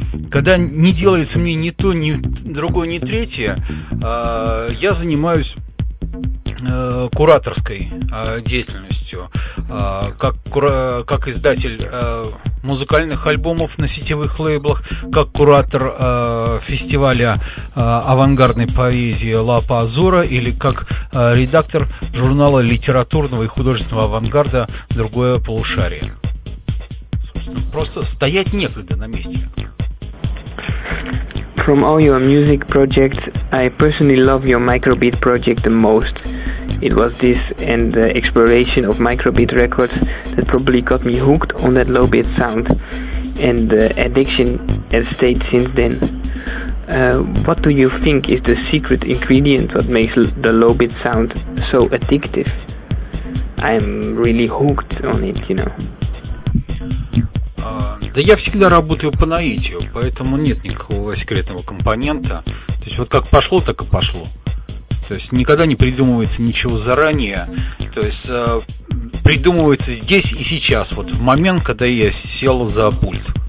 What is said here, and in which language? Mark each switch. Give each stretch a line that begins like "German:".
Russian: Когда не делается мне ни то, ни другое, ни третье, я занимаюсь кураторской деятельностью, как издатель музыкальных альбомов на сетевых лейблах, как куратор фестиваля авангардной поэзии «Лапа Азора» или как редактор журнала литературного и художественного авангарда «Другое полушарие». Просто стоять некогда на месте.
English: From all your music projects, I personally love your microbeat project the most. It was this and the exploration of microbeat records that probably got me hooked on that low beat sound, and the addiction has stayed since then. What do you think is the secret ingredient that makes the low beat sound so addictive? I'm really hooked on it, you know.
Russian: Да я всегда работаю по наитию, поэтому нет никакого секретного компонента. То есть вот как пошло, так и пошло. То есть никогда не придумывается ничего заранее. То есть придумывается здесь и сейчас, вот в момент, когда я сел за пульт.